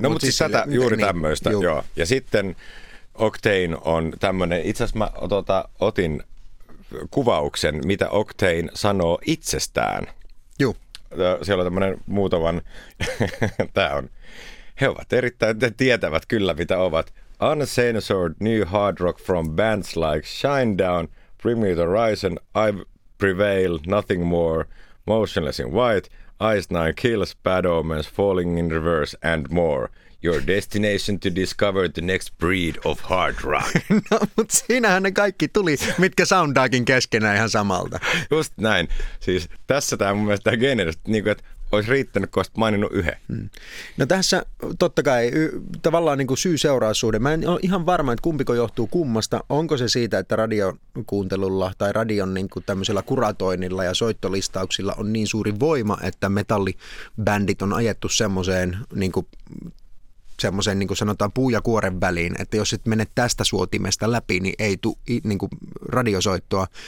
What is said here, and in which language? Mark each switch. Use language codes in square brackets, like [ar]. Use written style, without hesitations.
[fi] No mutta siis tätä, juuri niin, tämmöistä, niin, joo. Ja sitten Octane on tämmöinen, itse asiassa mä otin kuvauksen, mitä Octane sanoo itsestään. Joo. Siellä on tämmöinen muutaman, tämä on, he ovat erittäin, te tietävät kyllä mitä ovat. [en] Uncensored new hard rock from bands like Shinedown, Bring Me the Horizon, I Prevail, Nothing More, Motionless in White, Ice Nine Kills, Bad Omens, Falling in Reverse and more. Your destination to discover the next breed of hard rock. [fi] No, mutta siinähän ne kaikki tuli, mitkä soundaakin keskenään ihan samalta. Just näin. Siis tässä tämä mun mielestä tämä genetista, niin kuin, että olisi riittänyt, kun olisit maininnut yhden. Hmm. No tässä totta kai tavallaan niin kuin syy-seuraussuhde. Mä en ole ihan varma, että kumpiko johtuu kummasta. Onko se siitä, että radiokuuntelulla tai radion niin kuin tämmöisellä kuratoinnilla ja soittolistauksilla on niin suuri voima, että metallibändit on ajettu semmoiseen niin kuin semmoisen niin kuin sanotaan puu ja kuoren väliin, että jos et mene tästä suotimesta läpi, niin ei tule niin kuin radiosoittoa.